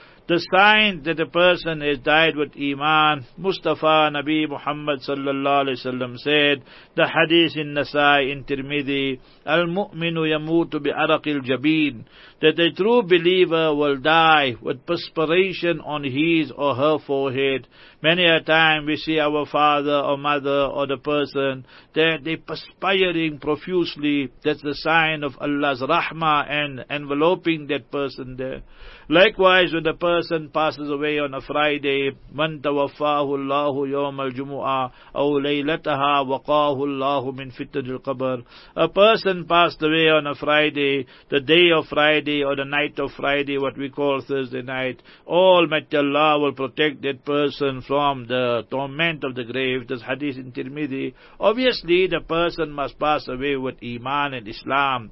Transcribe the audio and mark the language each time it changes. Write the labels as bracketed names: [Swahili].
[English] The sign that a person has died with Iman, Mustafa Nabi Muhammad sallallahu alayhi wa sallam said, the hadith in Nasai in Tirmidhi, [Arabic] Al-Mu'minu yamutu bi-araqil jabeen, [English] that a true believer will die with perspiration on his or her forehead. Many a time we see our father or mother or the person that they perspiring profusely. That's the sign of Allah's rahmah and enveloping that person there. Likewise, when the person passes away on a Friday, [Arabic] من توفاه الله يوم الجمعة أو ليلتها وقاه الله من فتن القبر. [English] A person passed away on a Friday, the day of Friday or the night of Friday, what we call Thursday night. Almighty Allah will protect that person from the torment of the grave. This hadith in Tirmidhi. Obviously, the person must pass away with Iman and Islam.